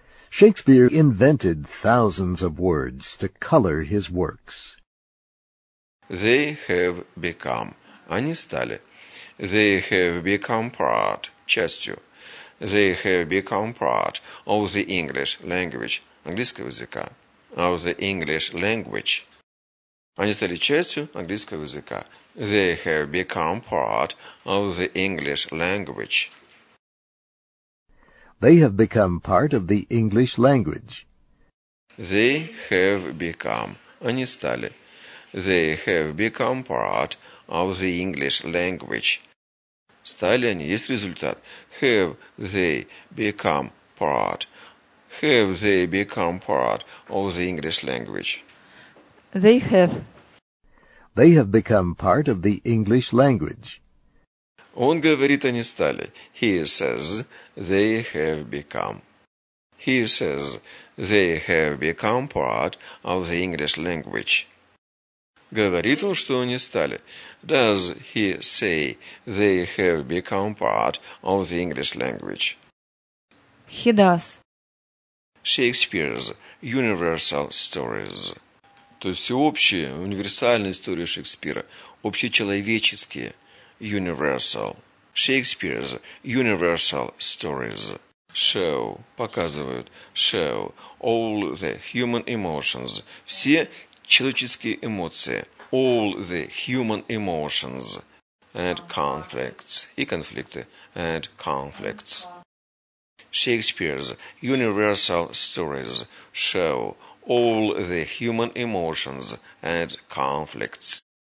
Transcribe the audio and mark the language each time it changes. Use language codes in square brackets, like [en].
[en] Shakespeare invented thousands of words to color his works. They have become. [ru] Они стали. [en] They have become part. [ru] Частью. [en] They have become part of the English language. [ru] Английского языка. [en] Of the English language. [ru] Они стали частью английского языка. [en] They have become part of the English language. They have become part of the English language. They have become. [ru] Они стали. [en] They have become part of the English language. [ru] Стали они, есть результат. [en] Have they become part? Have they become part of the English language? They have. They have become part of the English language. [ru] Он говорит, они стали. [en] He says they have become. He says they have become part of the English language. [ru] Говорит он, что они стали. [en] Does he say they have become part of the English language? He does. Shakespeare's universal stories. [ru] То есть всеобщие, универсальные истории Шекспира. Общечеловеческие. [en] Universal. Shakespeare's universal stories. Show. [ru] Показывают. [en] Show. All the human emotions. [ru] Все человеческие эмоции. [en] All the human emotions and conflicts. [ru] И конфликты. [en] And conflicts. Shakespeare's universal stories show all the human emotions and conflicts.